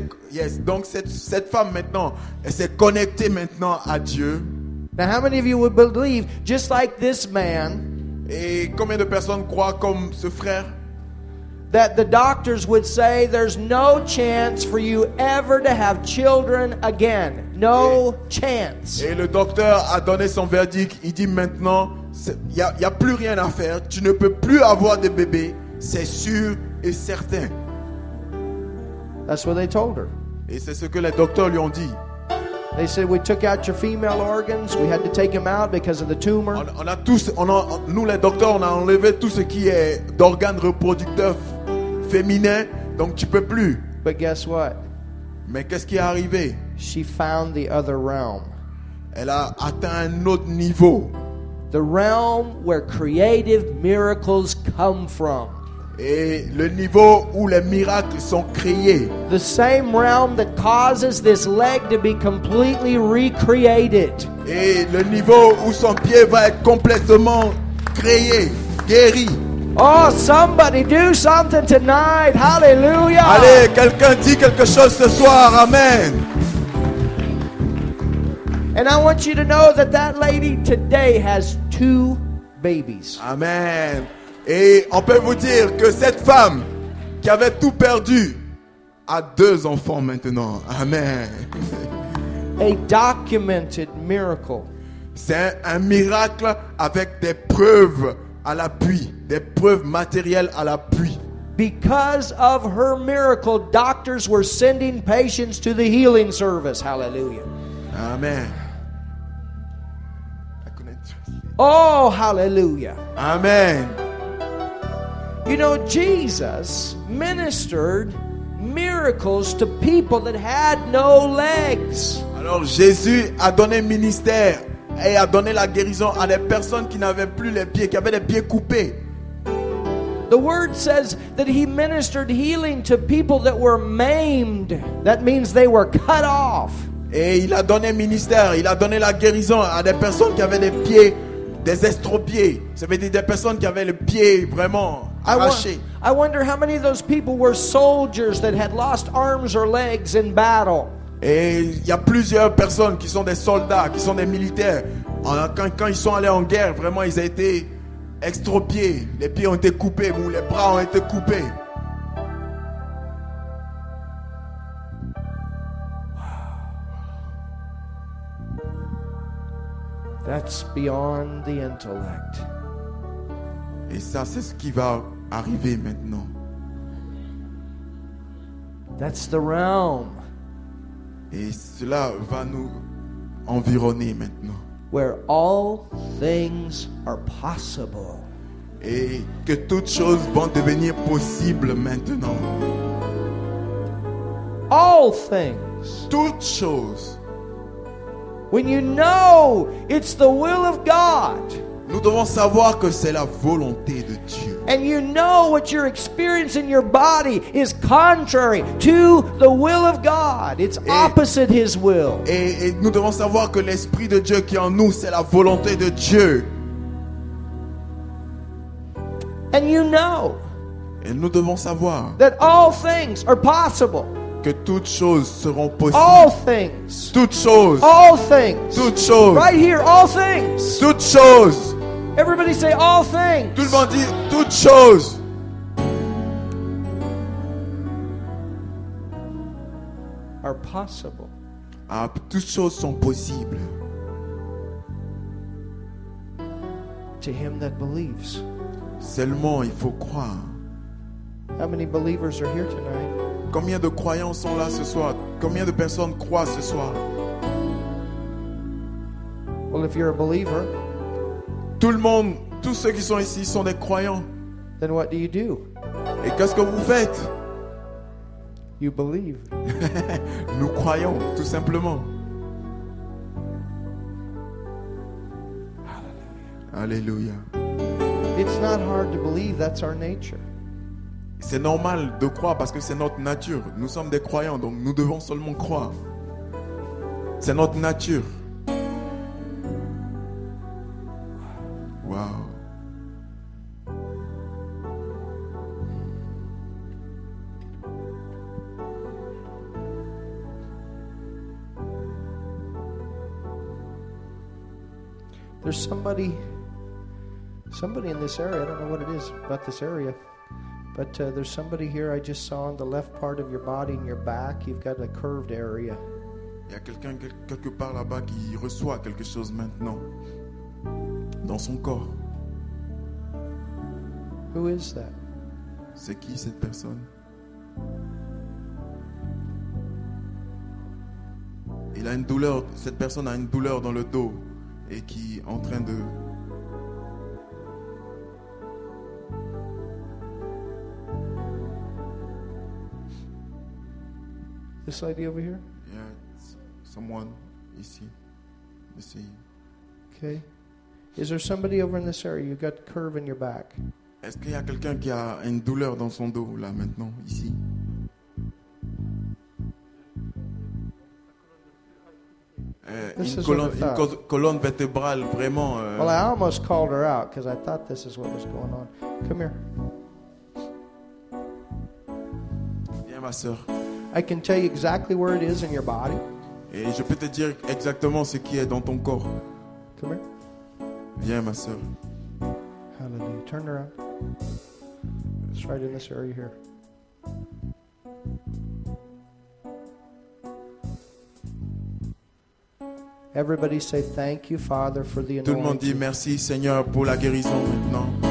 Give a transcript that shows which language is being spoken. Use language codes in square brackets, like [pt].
[fr] Yes, donc cette femme maintenant, elle s'est connectée maintenant à Dieu. [en] Now how many of you would believe, just like this man, [fr] et combien de personnes croient comme ce frère, [en] that the doctors would say there's no chance for you ever to have children again. No chance. [fr] Et le docteur a donné son verdict, il dit maintenant, il n'y a plus rien à faire, tu ne peux plus avoir de bébé, c'est sûr et certain. [en] That's what they told her. [fr] Et c'est ce que les docteurs lui ont dit. [en] They said we took out your female organs. We had to take them out because of the tumor. [fr] Nous les docteurs, on a enlevé tout ce qui est d'organes reproducteurs féminins. Donc tu peux plus. [en] But guess what? [fr] Mais qu'est-ce qui est arrivé? [en] She found the other realm. [fr] Elle a atteint un autre niveau. [en] The realm where creative miracles come from. [fr] Et le niveau où les miracles sont créés. [en] The same realm that causes this leg to be completely recreated. [fr] Et le niveau où son pied va être complètement créé, guéri. [en] Oh, somebody do something tonight. Hallelujah. [fr] Allez, quelqu'un dit quelque chose ce soir. Amen. [en] And I want you to know that that lady today has two babies. Amen. [fr] Et on peut vous dire que cette femme qui avait tout perdu a deux enfants maintenant. Amen. [en] A documented miracle. [fr] C'est un miracle avec des preuves à l'appui, des preuves matérielles à l'appui. [en] Because of her miracle, doctors were sending patients to the healing service. Hallelujah. Amen. Oh, hallelujah. Amen. You know, Jesus ministered miracles to people that had no legs. [fr] Alors Jésus a donné ministère et a donné la guérison à des personnes qui n'avaient plus les pieds, qui avaient les pieds coupés. [en] The word says that he ministered healing to people that were maimed. That means they were cut off. [fr] Et il a donné ministère, il a donné la guérison à des personnes qui avaient les pieds, des estropiés. Ça veut dire des personnes qui avaient les pieds vraiment. [en] I wonder how many of those people were soldiers that had lost arms or legs in battle. [fr] Et il y a plusieurs personnes qui sont des soldats, qui sont des militaires. Quand ils sont allés en guerre, vraiment ils ont été extropiés. Les pieds ont été coupés ou les bras ont été coupés. [en] That's beyond the intellect. [fr] Et ça, c'est ce qui va arriver maintenant. [en] That's the realm. [fr] Et cela va nous environner maintenant. [en] Where all things are possible. [fr] Et que toutes choses vont devenir possibles maintenant. [en] All things. [fr] Toutes choses. [en] When you know it's the will of God. [fr] Nous devons savoir que c'est la volonté de Dieu. [en] And you know what you're experiencing in your body is contrary to the will of God. It's opposite His will. [fr] Et nous devons savoir que l'Esprit de Dieu qui est en nous, c'est la volonté de Dieu. [en] And you know. [fr] Et nous devons savoir. [en] That all things are possible. [fr] Que toutes choses seront possibles. [en] All things. [fr] Toutes choses. [en] All things. [fr] Toutes choses. [en] Right here, all things. [fr] Toutes choses. [en] Everybody say all things. [fr] Tout le monde dit toutes choses. [en] Are possible. [fr] Ah, toutes choses sont possibles. [en] To him that believes. [fr] Seulement, il faut croire. [en] How many believers are here tonight? [fr] Combien de croyants sont là ce soir? Combien de personnes croient ce soir? [en] Well, if you're a believer, [fr] tout le monde, tous ceux qui sont ici sont des croyants. [en] Then what do you do? [fr] Et qu'est-ce que vous faites? [en] You believe. [fr] Nous croyons, tout simplement. Alléluia. [en] It's not hard to believe, that's our nature. [fr] C'est normal de croire parce que c'est notre nature. Nous sommes des croyants, donc nous devons seulement croire. C'est notre nature. Wow. [en] There's somebody in this area. I don't know what it is about this area. But there's somebody here I just saw on the left part of your body in your back. You've got a curved area. [fr] Il y a quelqu'un quelque part là-bas qui reçoit quelque chose maintenant dans son corps. [en] Who is that? [fr] C'est qui cette personne? Il a une douleur. Cette personne a une douleur dans le dos et qui est en train de. [en] This lady over here? Yeah, it's someone ici. Let's see. Okay. Is there somebody over in this area? You've got a curve in your back. [fr] Est-ce qu'il y a quelqu'un qui a une douleur dans son dos là maintenant ici? Une colonne vertébrale vraiment. [en] Well, I almost called her out because I thought this is what was going on. Come here. [fr] Viens, ma sœur. [en] I can tell you exactly where it is in your body. [fr] Et je peux te dire exactement ce qui est dans ton corps. [en] Come here. [fr] Viens, ma sœur. [en] Hallelujah. Turn around. It's right in this area here. Everybody say thank you, Father, for the anointing. [fr] Tout le monde dit merci, Seigneur, pour la guérison maintenant.